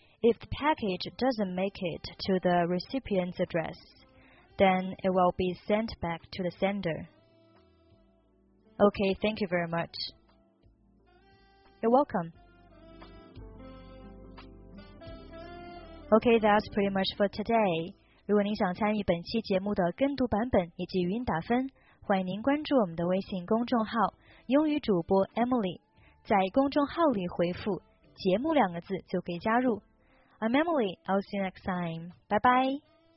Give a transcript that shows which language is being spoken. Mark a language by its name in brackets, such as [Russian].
[English] If the package doesn't make it to the recipient's address, then it will be sent back to the sender. Okay, thank you very much. You're welcome. Okay, that's pretty much for today. [Chinese] 如果您想参与本期节目的跟读版本以及语音打分，欢迎您关注我们的微信公众号“英语主播 Emily”。在公众号里回复“节目”两个字就可以加入。 [English] I'm Emily, I'll see you next time. Bye bye.